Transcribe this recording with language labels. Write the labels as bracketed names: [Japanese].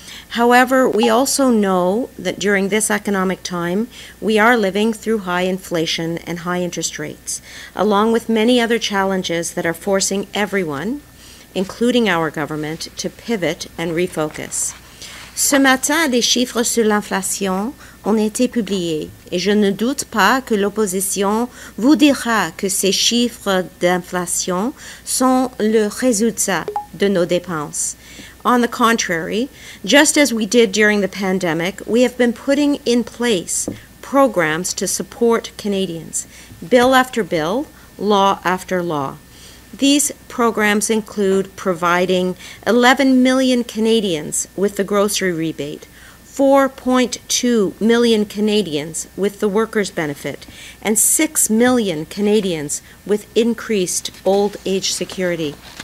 [English] However, we also know that during this economic time, we are living through high inflation and high interest rates, along with many other challenges that are forcing everyone, including our government, to pivot and refocus. [French] Ce matin, des chiffres sur l'inflation ont été publiés, et je ne doute pas que l'opposition vous dira que ces chiffres d'inflation sont le résultat de nos dépenses. [English] On the contrary, just as we did during the pandemic, we have been putting in place programs to support Canadians, bill after bill, law after law. These programs include providing 11 million Canadians with the grocery rebate, 4.2 million Canadians with the workers' benefit, and 6 million Canadians with increased old age security.